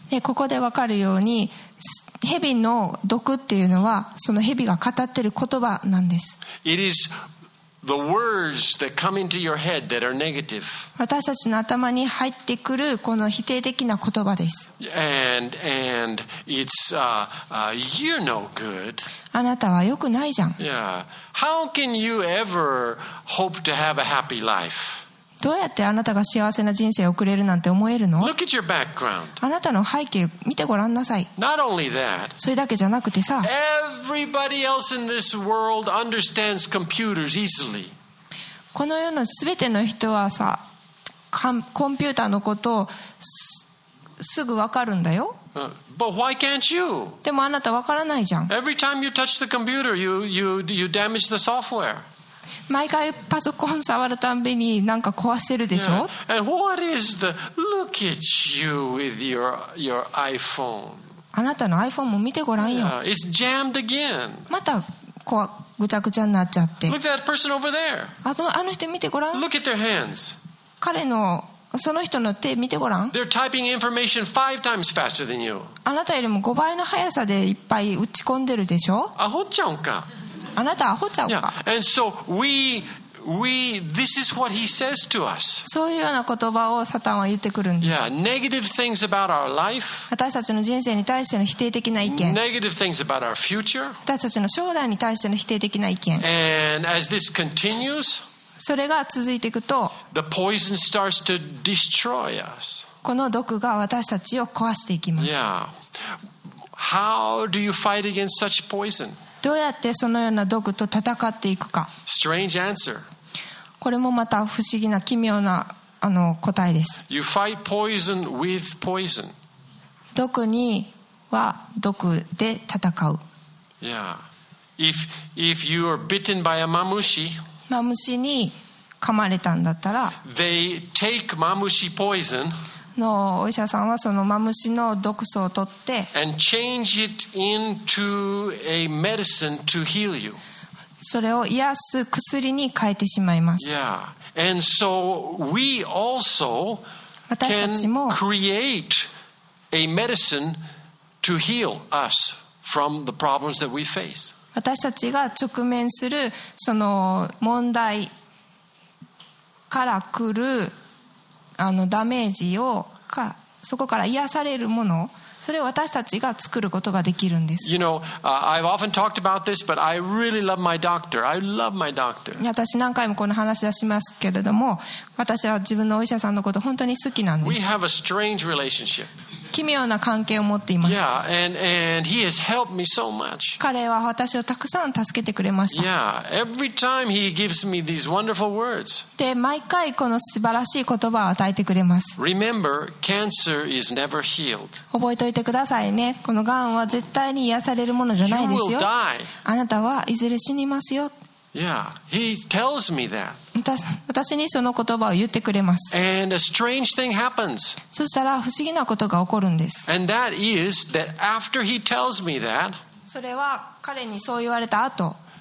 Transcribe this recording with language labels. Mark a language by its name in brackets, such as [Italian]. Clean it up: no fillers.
[Japanese] で、ここでわかるように。蛇の毒っていうのはその蛇が語ってる言葉なんです。 [English] It is the words that come into your head that are negative. [Japanese] 私たちの頭に入ってくるこの否定的な言葉です。 [English] And it's you're no good. [Japanese] あなたは良くないじゃん。 [English] Yeah. How can you ever hope to have a happy life? [Japanese] どうやってあなたが幸せな人生を送れるなんて思えるの？ [English] Look at your background. [Japanese] あなたの背景見てごらんなさい。 [English] Not only that, [Japanese] それだけじゃなくてさ、 [English] Everybody else in this world understands computers easily. [Japanese] この世の全ての人はさ、コンピューターのことをすぐ分かるんだよ。 [English] But why can't you? [Japanese] でもあなた分からないじゃん。 [English] Every time you touch the computer, you damage the software. [Japanese] 毎回パソコン触るたびに何か壊してるでしょ。 [English] Yeah. And what is the look at you with your iPhone? [Japanese] あなたの iPhone も見てごらんよ。 [English] Yeah. It's jammed again. [Japanese] またこうぐちゃぐちゃになっちゃって。 [English] Look at that person over there. [Japanese] あの人見てごらん。 [English] Look at their hands. [Japanese] 彼のその人の手見てごらん。 [English] They're typing information five times faster than you. [Japanese] あなたよりも5倍の速さでいっぱい打ち込んでるでしょ。アホちゃうか。あなたアホちゃうか。 [English] Yeah. And so we this is what he says to us. [Japanese] そういうような言葉をサタンは言ってくるんです。 [English] Yeah. Negative things about our life. [Japanese] 私たちの人生に対しての否定的な意見。 [English] Negative things about our future. [Japanese] 私たちの将来に対しての否定的な意見。 [English] And as this continues, [Japanese] それが続いていくと、 [English] the poison starts to destroy us. [Japanese] この毒が私たちを壊していきます。 [English] Yeah. How do you fight against such poison? [Japanese] どうやってそのような毒と戦っていくか。 [English] Strange answer. [Japanese] これもまた不思議な奇妙なあの答えです。 [English] You fight poison with poison. [Japanese] 毒には毒で戦う。 [English] Yeah. If you are bitten by a mamushi, [Japanese] マムシに噛まれたんだったら、 [English] they take mamushi poison. [Japanese] のお医者さんはそのマムシの毒素を取って、 [English] and change it into a medicine to heal you. [Japanese] それを癒す薬に変えてしまいます。 [English] Yeah. And so we also can create a medicine to heal us from the problems that we face. [Japanese] 私たちが直面するその問題から来るあのダメージをかそこから癒されるもの、それを私たちが作ることができるんです。 [English] You know, I've often talked about this, but I really love my doctor. I love my doctor. [Japanese] 私何回もこの話をしますけれども、私は自分のお医者さんのこと本当に好きなんです。 [English] We have a strange relationship. [Japanese] 奇妙な関係を持っています。 [English] Yeah, and he has helped me so much. [Japanese] 彼は私をたくさん助けてくれました。 [English] Yeah, every time he gives me these wonderful words. [Japanese] で、毎回この素晴らしい言葉を与えてくれます。 [English] Remember, cancer is never healed. [Japanese] 覚えておいてくださいね。このがんは絶対に癒されるものじゃないですよ。 [English] You will die. [Japanese] あなたはいずれ死にますよ。 [English] Yeah, he tells me that. [Japanese] 私にその言葉を言ってくれます。 [English] And a strange thing happens. [Japanese] そしたら不思議なことが起こるんです。 [English] And that is that after he tells me that, [Japanese] それは彼にそう言われた後、